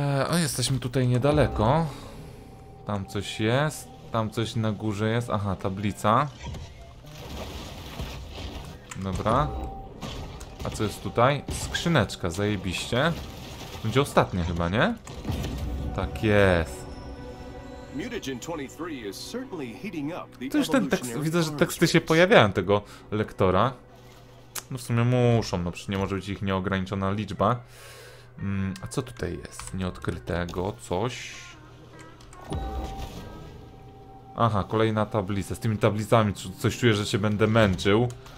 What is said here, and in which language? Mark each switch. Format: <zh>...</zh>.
<pl>O, jesteśmy tutaj niedaleko. Tam coś jest, tam coś na górze jest, aha, tablica. Dobra. A co jest tutaj? Skrzyneczka, zajebiście. Będzie ostatnie chyba, nie? Tak jest.</pl> <en>Mutagen 23 is certainly heating up.</en> <pl>To już ten tekst, widzę, że teksty się pojawiają tego lektora. No w sumie muszą, no przecież nie może być ich nieograniczona liczba. A co tutaj jest? Nieodkrytego coś. Aha, kolejna tablica. Z tymi tablicami coś czuję, że się będę męczył.</pl>